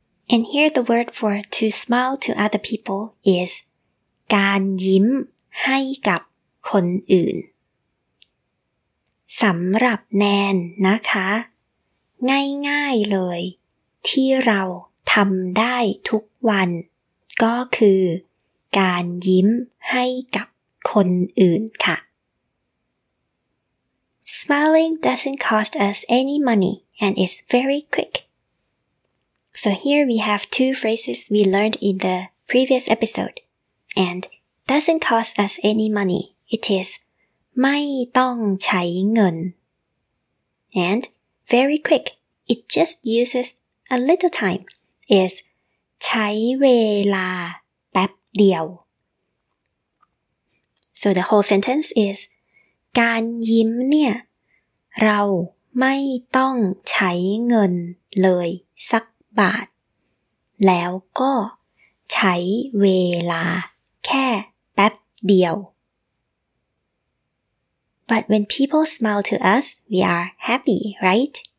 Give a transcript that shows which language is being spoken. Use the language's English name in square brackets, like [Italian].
[English] And here the word for to smile to other people is [Thai] การยิ้มให้กับคนอื่นสำหรับแนนนะคะง่ายๆเลยที่เราทำได้ทุกวันก็คือการยิ้มให้กับคนอื่นค่ะ [English] Smiling doesn't cost us any money and is very quick. So here we have two phrases we learned in the previous episode. And doesn't cost us any money. It is [Thai] ไม่ต้องใช้เงิน [English] And very quick. It just uses a little time. Is [Thai] ใช้เวลาแป๊บเดียว [English] So the whole sentence is [Thai] การยิ้มเนี่ยเราไม่ต้องใช้เงินเลยสักบาทแล้วก็ใช้เวลาแค่แป๊บเดียว [English] But when people smile to us, we are happy, right?